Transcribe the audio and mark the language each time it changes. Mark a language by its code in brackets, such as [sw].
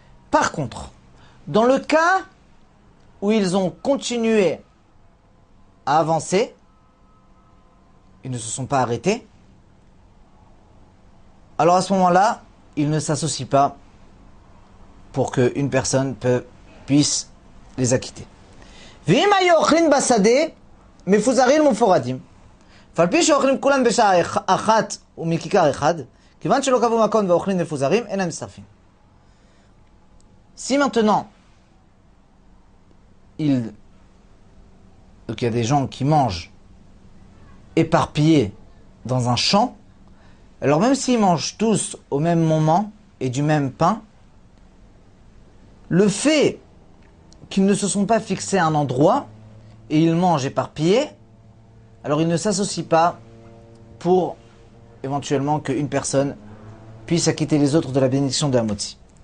[fr] Par contre, dans le cas où ils ont continué à avancer, ils ne se sont pas arrêtés, alors à ce moment-là, ils ne s'associent pas pour qu'une personne puisse les acquitter. [he] « V'imayochin basade » מפוזרים ומפורדים. ועל פי שאוכלים כולם בשעה אחת ומכיכר אחד, כיוון שלא קבעו מקום ואוכלים מפוזרים, אין הם מצטרפים. [fr] Si maintenant, il y a des gens qui mangent éparpillés dans un champ, alors même s'ils mangent tous au même moment et du même pain, le fait qu'ils ne se sont pas fixés à un endroit et ils mangent éparpillés, alors ils ne s'associent pas pour éventuellement qu'une personne puisse acquitter les autres de la bénédiction de Hamotzi.